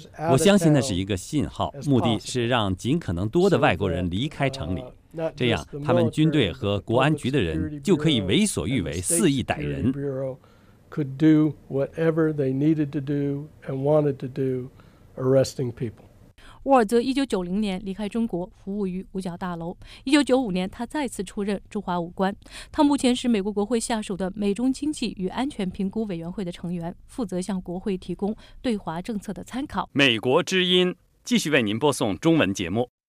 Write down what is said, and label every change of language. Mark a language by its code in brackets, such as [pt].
[zh] 我相信那是一个信号，目的是让尽可能多的外国人离开城里，这样他们军队和国安局的人就可以为所欲为，肆意逮人。 [en] Could do whatever they needed to do and wanted to do, arresting people. [zh] 沃尔泽1990年离开中国，服务于五角大楼。 1995年，他再次出任驻华武官。他目前是美国国会下属的美中经济与安全评估委员会的成员，负责向国会提供对华政策的参考。美国之音继续为您播送中文节目。